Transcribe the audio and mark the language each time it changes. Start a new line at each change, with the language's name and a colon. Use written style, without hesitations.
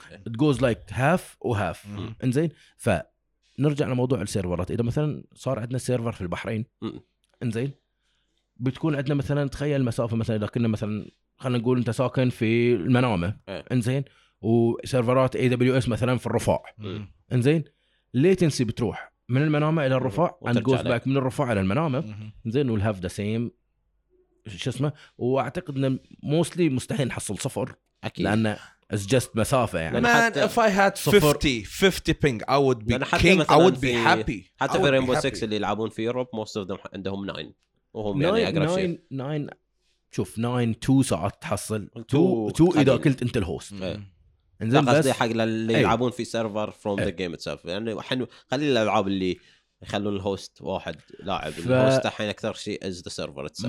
Arabic: it goes like half and half انزين فنرجع لموضوع السيرفرات اذا مثلا صار عندنا سيرفر في البحرين انزين بتكون عندنا مثلا تخيل مسافه مثلا اذا كنا مثلا خلينا نقول انت ساكن في المنامه انزين وسيرفرات AWS مثلا في الرفاع انزين latency بتروح من المنامة الى الرفاع
English: and goes back
Arabic: من الرفاع الى المنامة انزين
English: we'll have the same
Arabic: شو اسمه واعتقد ان mostly مستحيل نحصل صفر أكيد. لان
English: it's just
Arabic: مسافة يعني
English: man if I had 50 ping I would be king I would be happy
Arabic: حتى في Rainbow Six اللي يلعبون في Europe
English: most of them
Arabic: عندهم 9 وهم يعني اقرب شيء 9 شوف 9 2 ساعات تحصل 2 اذا قلت انت الهوست انزين بس دي حق اللي يلعبون في سيرفر فروم ذا جيم اتسلف يعني الحين قليل الالعاب اللي يخلون الهوست واحد لاعب الهوست الحين اكثر شيء از ذا سيرفر اتسلف